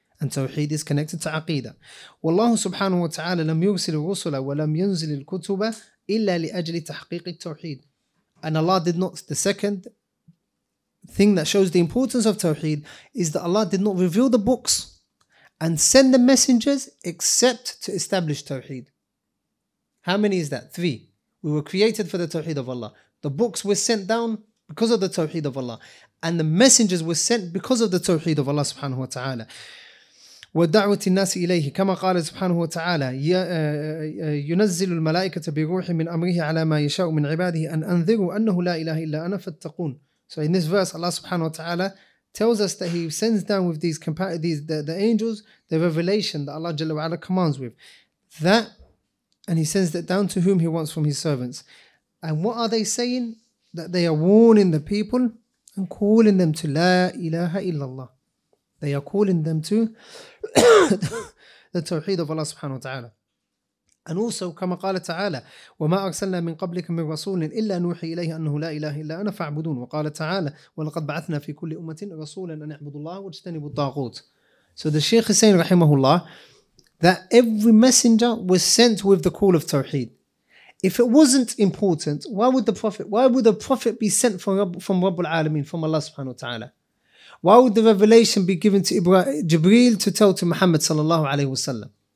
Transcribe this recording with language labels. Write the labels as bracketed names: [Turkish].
[English] And Tawheed is connected to Aqeedah. [Arabic] وَاللَّهُ سُبْحَانَهُ وَتَعَالَى لَمْ يُرْسِلِ الرُّسُلَ وَلَمْ يُنْزِلِ الْكُتُبَ إِلَّا لِأَجْلِ تَحْقِيقِ التَّوْحِيدِ [English] And Allah did not, the second thing that shows the importance of Tawheed is that Allah did not reveal the books and send the messengers except to establish Tawheed. How many is that? 3. We were created for the Tawheed of Allah. The books were sent down because of the Tawheed of Allah. And the messengers were sent because of the Tawheed of Allah subhanahu wa ta'ala. [Arabic] والدعوة الناس إليه كما قال سبحانه وتعالى ينزل الملائكة بروح من أمره على ما يشاء من عباده أن أنذروا أنه لا إله إلا أنا فاتقون. [English] So in this verse Allah subhanahu wa ta'ala tells us that he sends down with the angels the revelation that Allah Jalla wa Ala commands with. That, and he sends it down to whom he wants from his servants. And what are they saying? That they are warning the people and calling them to La ilaha illallah. They are calling them to the Tawheed of Allah subhanahu wa ta'ala. And also, [Arabic] كما قال تعالى وما أرسلنا من قبلك من رسول إلا نوحي إليه أنه لا إله إلا أنا فاعبدون وقال تعالى ولقد بعثنا في كل أمة رسولا أن يعبدوا الله واجتنبوا الطاغوت. [English] So the Shaykh is saying [Arabic] رحمه الله [English] that every messenger was sent with the call of Tawheed. If it wasn't important, why would the Prophet be sent from رب العالمين, from Allah subhanahu wa ta'ala? Why would the revelation be given to Jibreel to tell to Muhammad sallallahu alayhi wasallam?